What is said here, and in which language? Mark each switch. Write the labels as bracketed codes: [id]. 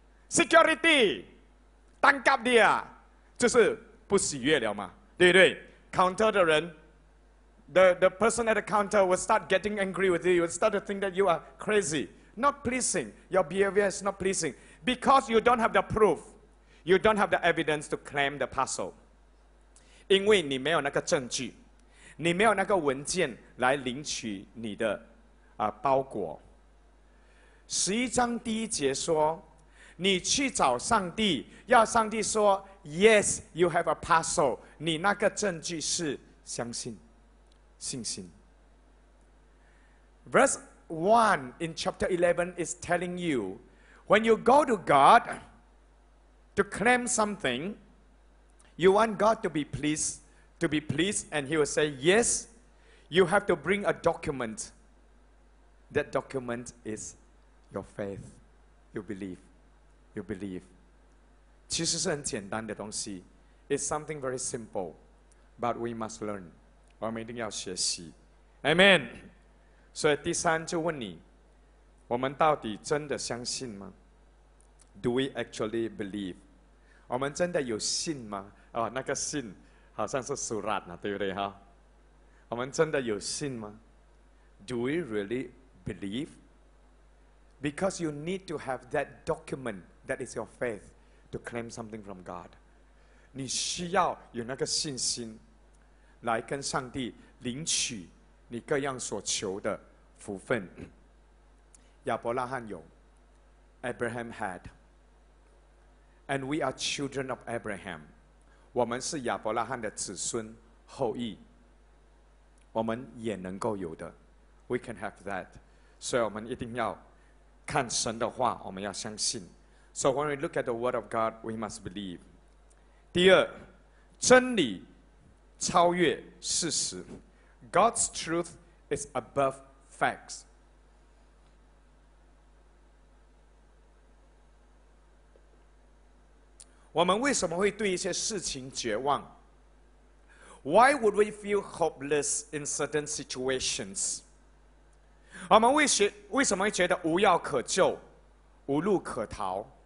[en] Security, [ms] tangkap dia, [zh] 就是不喜悦了嘛，对不对 ？ [en] Counter [zh] 的人 [en] ，the person at the counter will start getting angry with you, will start to think that you are crazy, not pleasing. Your behavior is not pleasing because you don't have the proof, you don't have the evidence to claim the parcel. [zh] 因为你没有那个证据，你没有那个文件来领取你的包裹。十一章第一节说。你去找上帝，要上帝说 ： [en] “Yes, you have a parcel。” [zh] 你那个证据是相信、信心。 [en] Verse 1 in chapter 11 is telling you, when you go to God to claim something, you want God to be pleased, to be pleased, and He will say, "Yes, you have to bring a document. That document is your faith, you believe." You believe. [zh] 其实是很简单的东西 [en] It's something very simple, but we must learn. [zh] 我们一定要学习 Amen. 所以第三就问你，我们到底真的相信吗？ [en] Do we actually believe? [zh] 我们真的有信吗？哦，那个信好像是 surat 啊，对不对哈？我们真的有信吗？ [en] Do we really believe? Because you need to have that document. That is your faith to claim something from God. [zh] 你需要有那个信心来跟上帝领取你各样所求的福分。亚伯拉罕有 [en] ，Abraham had, and we are children of Abraham. [zh] 我们是亚伯拉罕的子孙后裔，我们也能够有的。 [en] We can have that. [zh] 所以我们一定要看神的话，我们要相信。 [en] So when we look at the word of God, we must believe. [zh] 第二，真理超越事实。 [en] God's truth is above facts. [zh] 我们为什么会对一些事情绝望？ [en] Why would we feel hopeless in certain situations? [zh] 我们为什么会觉得无药可救，无路可逃？